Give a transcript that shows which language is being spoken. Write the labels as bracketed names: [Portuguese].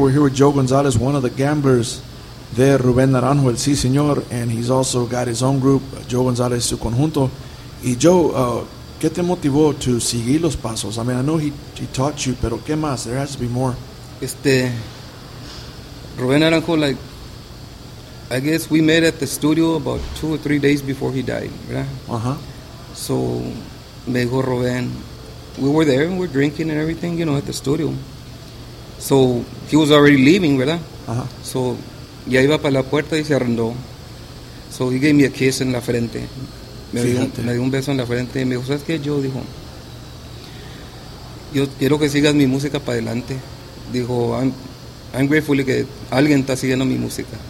[English] We're here with Joe Gonzalez, one of the gamblers there, Rubén Naranjo, el sí señor, and he's also got his own group, Joe Gonzalez, su conjunto. [Spanish] Y Joe, ¿qué te motivó to seguir los pasos? [English] I mean, I know he taught you, [Spanish] pero ¿qué más? [English] There has to be more. Rubén Naranjo, like, I guess we met at the studio about 2 or 3 days before he died, right? Uh-huh. So, [Spanish] me dijo [English] Rubén, we were there, and we're drinking and everything, you know, at the studio. So he was already leaving, ¿verdad? Uh-huh. [Spanish] So ya iba para la puerta y se arrendó. [English] So he gave me a kiss [Spanish] en la frente. Me dio un beso en la frente y me dijo, ¿sabes qué? Yo dijo, yo quiero que sigas mi música para adelante. Dijo, [English] I'm grateful [Spanish] que alguien está siguiendo mi música.